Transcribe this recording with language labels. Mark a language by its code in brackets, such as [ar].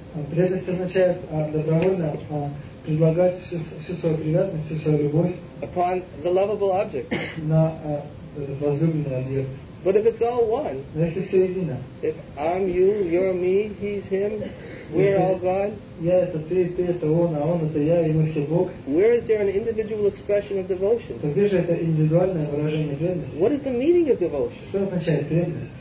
[ru] Преданность означает добровольно предлагать всю свою привязанность, всю свою любовь [en] upon the lovable object. [ru] На возлюбленный объект. [en] But if it's all one, [ru] если все едино, [en] if I'm you, you're me, he's him, we're all God, [ru] я это ты это он, а он это я, и мы все Бог, [en] where is there an individual expression of devotion? [ru] То где же это индивидуальное выражение преданности? [en] What is the meaning of devotion? [ru] Что означает преданность?